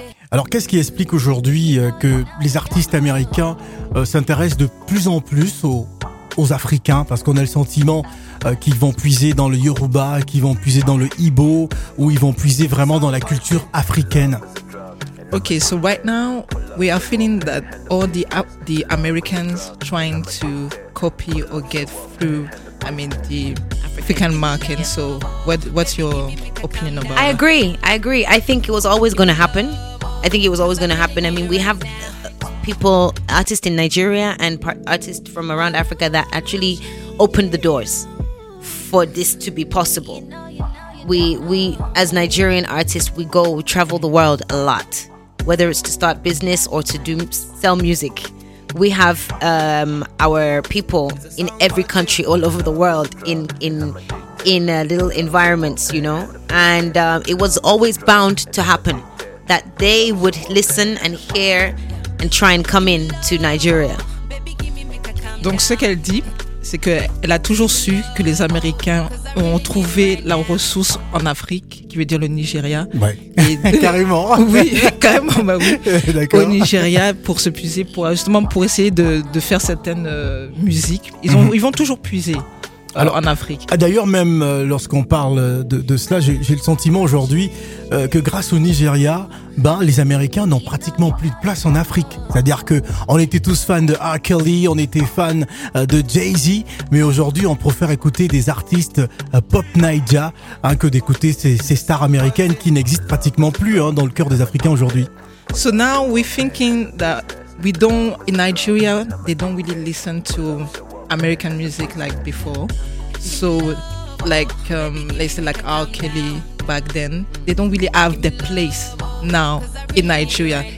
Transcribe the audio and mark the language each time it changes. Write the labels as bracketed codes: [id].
[fr] Alors qu'est-ce qui explique aujourd'hui que les artistes américains s'intéressent de plus en plus aux Africains, parce qu'on a le sentiment qu'ils vont puiser dans le Yoruba, qu'ils vont puiser dans le Igbo, ou ils vont puiser vraiment dans la culture africaine. [en] Okay, so right now we are feeling that all the Americans trying to copy or get through, I mean, the African market. So what's your opinion about that? I agree. I think it was always going to happen. I mean, we have people, artists in Nigeria and artists from around Africa that actually opened the doors for this to be possible. We as Nigerian artists, we travel the world a lot, whether it's to start business or to sell music. We have our people in every country all over the world in little environments, you know, and it was always bound to happen that they would listen and hear and try and come in to Nigeria. [fr] Donc ce qu'elle dit, c'est qu'elle a toujours su que les Américains ont trouvé la ressource en Afrique, qui veut dire le Nigeria. Ouais. Carrément. Oui, carrément, bah oui. D'accord. Au Nigeria, pour se puiser, pour essayer de faire certaines musiques. Ils vont toujours puiser. Alors, en Afrique. D'ailleurs, même lorsqu'on parle de cela, j'ai le sentiment aujourd'hui que grâce au Nigeria, ben, les Américains n'ont pratiquement plus de place en Afrique. C'est-à-dire qu'on était tous fans de R. Kelly, on était fans de Jay-Z, mais aujourd'hui, on préfère écouter des artistes pop Naija, hein, que d'écouter ces stars américaines qui n'existent pratiquement plus, hein, dans le cœur des Africains aujourd'hui. [en] So now we're thinking that we don't, in Nigeria, they don't really listen to American music like before. So let's say like R. Kelly back then, they don't really have their place now in Nigeria.